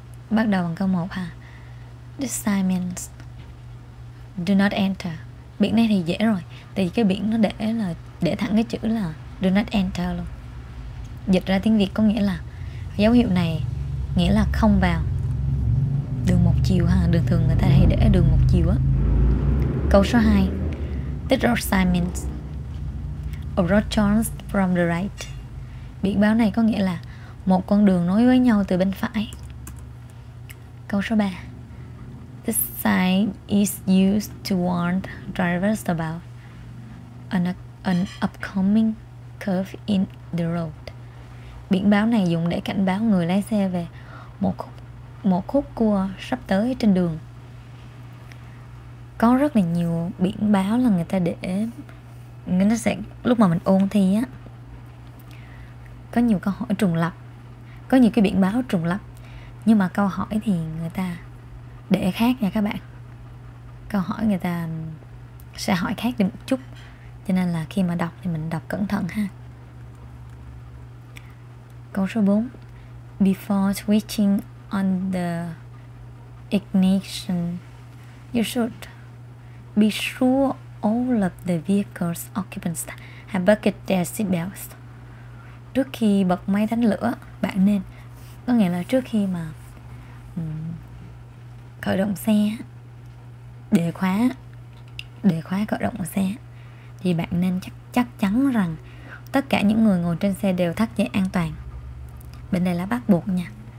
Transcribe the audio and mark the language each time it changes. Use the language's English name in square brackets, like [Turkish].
[Vietnamese] Bắt đầu bằng câu 1 ha. [English] This sign means do not enter. [Vietnamese] Biển này thì dễ rồi. Tại vì cái biển nó để thẳng cái chữ là [English] do not enter [Vietnamese] luôn. Dịch ra tiếng Việt có nghĩa là dấu hiệu này nghĩa là không vào. Đường một chiều ha, đường thường người ta hay để đường một chiều á. Câu số 2, [English] this road sign means a road turn from the right. [Vietnamese] Biển báo này có nghĩa là một con đường nối với nhau từ bên phải. Câu số 3, [English] this sign is used to warn drivers about an upcoming curve in the road. [Vietnamese] Biển báo này dùng để cảnh báo người lái xe về một khúc cua sắp tới trên đường. Có rất là nhiều biển báo là người ta để, nó sẽ lúc mà mình ôn thi á, có nhiều câu hỏi trùng lặp, có nhiều cái biển báo trùng lặp, nhưng mà câu hỏi thì người ta để khác nha các bạn. Câu hỏi người ta sẽ hỏi khác đi một chút, cho nên là khi mà đọc thì mình đọc cẩn thận ha. Câu số 4, [English] before switching on the ignition, you should be sure all of the vehicle's occupants have buckled their seatbelts. [Vietnamese] Trước khi bật máy đánh lửa, bạn nên, có nghĩa là trước khi mà khởi động xe, để khóa khởi động xe, thì bạn nên chắc chắn rằng tất cả những người ngồi trên xe đều thắt dây an toàn. Bên đây là bắt buộc nha.